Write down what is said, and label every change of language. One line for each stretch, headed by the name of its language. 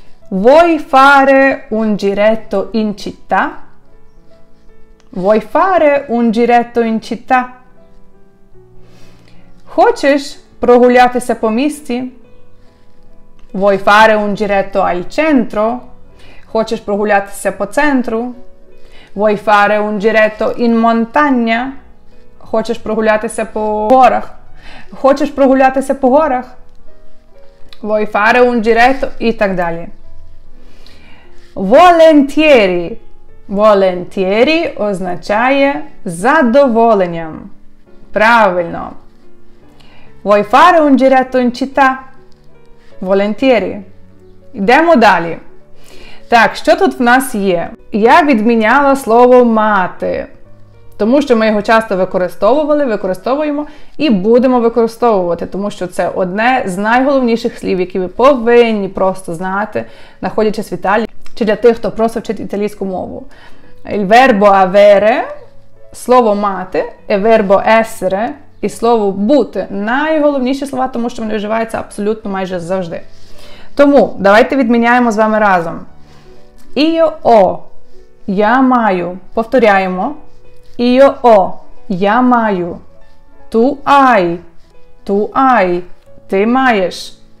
Italian: Vuoi fare un giretto in città? Vuoi fare un giretto in città?
Ukrainian: Хочеш прогулятися по місті?
Italian: Vuoi fare un giretto al centro?
Ukrainian: Хочеш прогулятися по центру?
Italian: Vuoi fare un giretto in montagna?
Ukrainian: Хочеш прогулятися по горах? Хочеш прогулятися по горах?
Italian: Vuoi fare un giretto?
Ukrainian: І так далі.
Italian: Volentieri.
Ukrainian: Volentieri означає задоволенням. Правильно.
Italian: Vuoi fare un giretto in città? Volentieri.
Ukrainian: Йдемо далі. Так, що тут в нас є? Я відміняла слово «мати», тому що ми його часто використовували, використовуємо і будемо використовувати, тому що це одне з найголовніших слів, які ви повинні просто знати, знаходячись в Італії, чи для тих, хто просто вчить італійську мову.
Italian: Il verbo avere,
Ukrainian: слово «мати»,
Italian: e verbo essere,
Ukrainian: і слово «бути» – найголовніші слова, тому що вони вживаються абсолютно майже завжди. Тому давайте відміняємо з вами разом. Io-о – я маю. Повторяємо. Io-о – я маю. Ту-ай – ту-ай – ти маєш.